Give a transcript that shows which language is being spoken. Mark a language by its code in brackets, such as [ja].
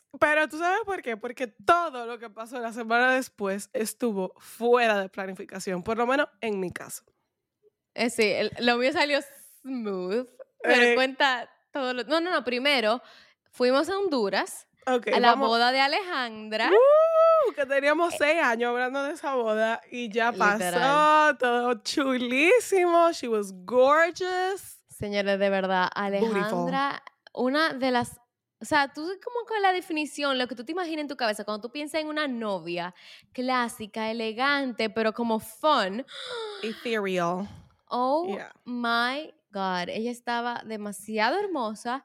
[es] Pero tú sabes por qué, porque todo lo que pasó la semana después estuvo fuera de planificación, por lo menos en mi caso. Sí, lo mío salió smooth, pero cuenta todo lo... No, primero fuimos a Honduras, okay, a la boda de Alejandra. Que teníamos 6 años hablando de esa boda y ya pasó, literal. Todo chulísimo, [en] she was gorgeous. [es] Señores, de verdad, Alejandra, beautiful. Una de las... O sea, tú como con la definición, lo que tú te imaginas en tu cabeza, cuando tú piensas en una novia clásica, elegante, pero como fun. [en] Ethereal. Oh, yeah. My God. [es] Ella estaba demasiado hermosa.